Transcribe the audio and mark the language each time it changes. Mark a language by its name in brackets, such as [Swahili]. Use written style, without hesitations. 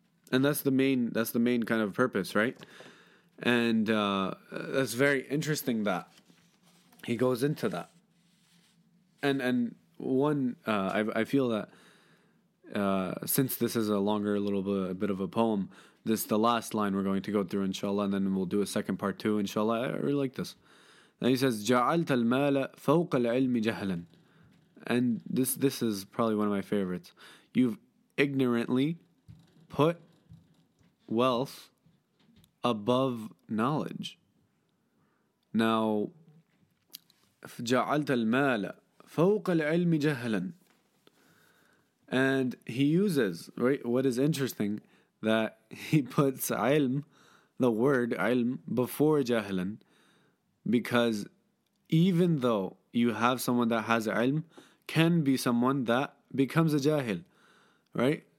[English] And that's the main kind of purpose, right? And that's very interesting that he goes into that. And I feel that since this is a longer little bit of a poem, this the last line we're going to go through, inshallah, and then we'll do a second part too, inshallah. I really like this. And he says, [Arabic] "جَعَلْتَ الْمَالَ فَوْقَ الْعِلْمِ جَهْلًا." [English] And this is probably one of my favorites. You've ignorantly put wealth above knowledge. Now, [Arabic] جَعَلْتَ الْمَالَ فَوْقَ الْعِلْمِ جَهْلًا. [English] And he uses, right, what is interesting, that he puts ilm, the word ilm, before jahlan, because even though you have someone that has ilm, can be someone that becomes a jahil, right?